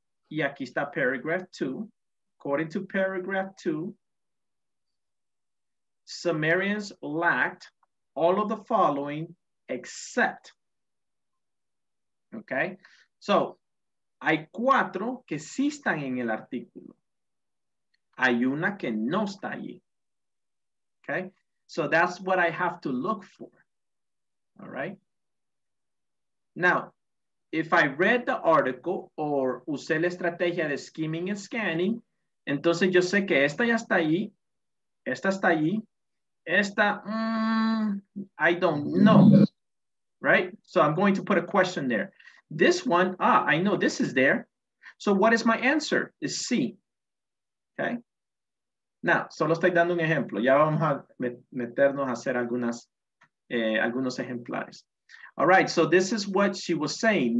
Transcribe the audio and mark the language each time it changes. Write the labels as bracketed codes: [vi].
[es] Y aquí está [en] paragraph two. According to paragraph two, Sumerians lacked all of the following except. Okay? [es] So, hay cuatro que sí están en el artículo. Hay una que no está allí. Okay? [en] So, that's what I have to look for. All right? Now, if I read the article or [es] usé la estrategia de skimming and scanning, entonces yo sé que esta ya está allí, esta está allí, esta, [en] I don't know, right? So I'm going to put a question there. This one, I know this is there. So what is my answer? Is C, okay? Now, [es] solo estoy dando un ejemplo. Ya vamos a meternos a hacer algunas, algunos ejemplares. [en] All right, so this is what she was saying.